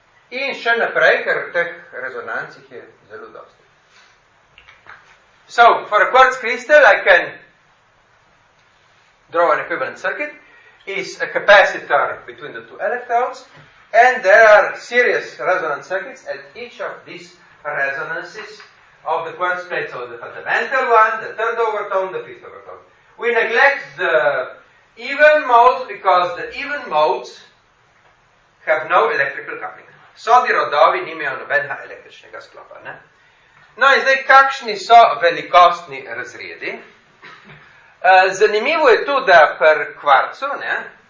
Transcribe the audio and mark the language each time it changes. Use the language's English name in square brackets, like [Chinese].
[Slovenian] In še naprej, ker v teh rezonancih je zelo dosti. [English] So, for a quartz crystal, I can draw an equivalent circuit. It's a capacitor between the two electrodes. And there are series resonance circuits at each of these resonances of the quartz plate, so the fundamental one, the third overtone, the fifth overtone. We neglect the even modes because the even modes have no electrical coupling. So the [Slovenian] rodovi nimajo nobenega električnega sklopa. Ne? No in zdaj, kakšni so velikostni razredi? Zanimivo je tu, da per kvarcu, ne?